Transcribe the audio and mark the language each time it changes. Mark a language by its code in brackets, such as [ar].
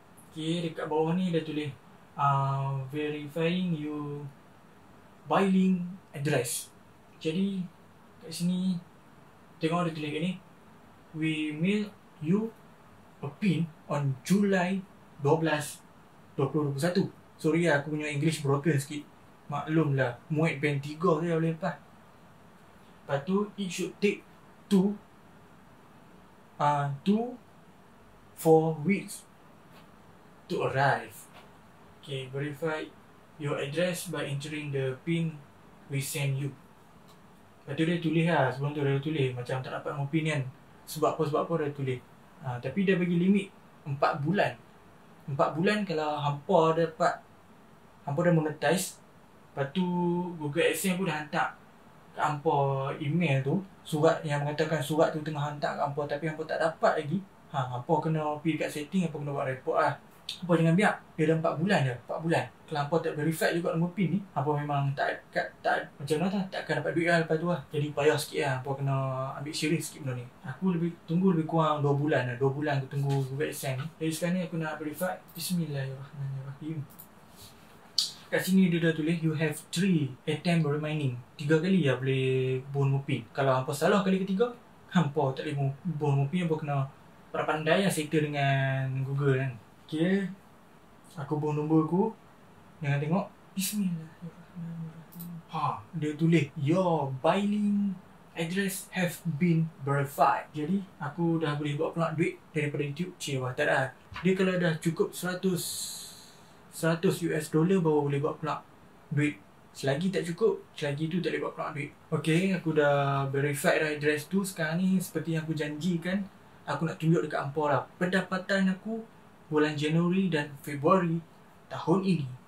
[ms] Okay, dekat bawah ni dah tulis [en] verifying you billing address. [ms] Jadi kat sini tengok ada tulis kat ni, [en] we mail you a PIN on July 12, 2021. [ms] Sorry lah, aku punya English broken sikit. Maklumlah, muat band 3 je boleh lepas. Lepas tu, [en] it should take 2-4 weeks to arrive. Okay, verify your address by entering the PIN we send you. [ms] Lepas tu dia tulis lah, sebelum tu dia tulis macam tak dapat PIN kan. Sebab apa dia tulis. Tapi dia bagi limit 4 bulan. 4 bulan kalau hampa dapat, hampa dah monetize. Lepas tu Google Adsense pun dah hantar kat hampa email tu, surat yang mengatakan surat tu tengah hantar kat hampa tapi hampa tak dapat lagi. Hampa kena pergi dekat setting, hampa kena buat report lah. Hampa jangan biar, dia dah 4 bulan dah, 4 bulan. Kalau hampa tak verify juga nombor PIN ni, hampa memang tak macam mana lah, tak akan dapat duit lah lepas tu lah. Jadi payah sikit lah, hampa kena ambil serius sikit benda ni. Aku tunggu lebih kurang 2 bulan lah, 2 bulan aku tunggu Google Adsense ni. Jadi sekarang ni aku nak verify. Bismillahirrahmanirrahim. Kat sini dia dah tulis, [en] you have 3 attempt remaining. [ms] 3 kali ya boleh bon mupin. Kalau hampa salah kali ketiga, hampa tak boleh bon mupin. Hampa kena pandai yang settle dengan Google kan. Okay, aku bon nombor aku. Jangan tengok. Bismillahirrahmanirrahim. Ha, dia tulis, [en] your billing address have been verified. [ms] Jadi, aku dah boleh buat pula duit daripada YouTube. Cik, wah, tak ada. Dia kalau dah cukup 100 US dollar baru boleh buat pula duit. Selagi tak cukup, selagi tu tak boleh buat pula duit. Okay, aku dah verify dah address tu. Sekarang ni seperti yang aku janjikan, aku nak tunjuk dekat hampa lah pendapatan aku bulan Januari dan Februari tahun ini.